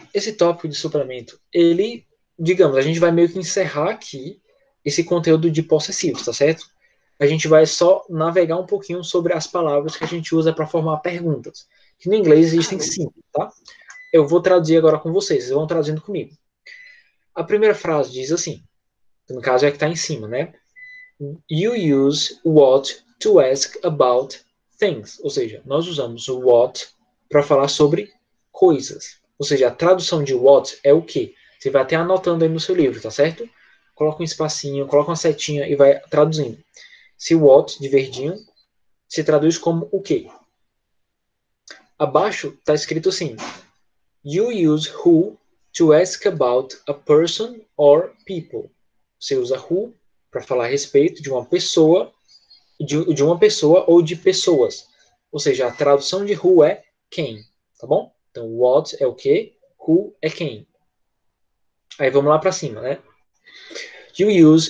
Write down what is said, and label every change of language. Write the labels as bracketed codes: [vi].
[pt] Esse tópico de suplemento, ele, digamos, a gente vai meio que encerrar aqui esse conteúdo de possessivos, tá certo? A gente vai só navegar um pouquinho sobre as palavras que a gente usa para formar perguntas. Que no inglês existem cinco, tá? Eu vou traduzir agora com vocês, vocês vão traduzindo comigo. A primeira frase diz assim, no caso é que tá em cima, né? [en] You use what to ask about things. [pt] Ou seja, nós usamos o what para falar sobre coisas. Ou seja, a tradução de what é o quê? Você vai até anotando aí no seu livro, tá certo? Coloca um espacinho, coloca uma setinha e vai traduzindo. Se what, de verdinho, se traduz como o quê? Abaixo está escrito assim. [en] You use who to ask about a person or people. [pt] Você usa who para falar a respeito de uma pessoa, de uma pessoa ou de pessoas. Ou seja, a tradução de who é quem, tá bom? Então, what é o quê? Who é quem? Aí vamos lá para cima, né? [en] You use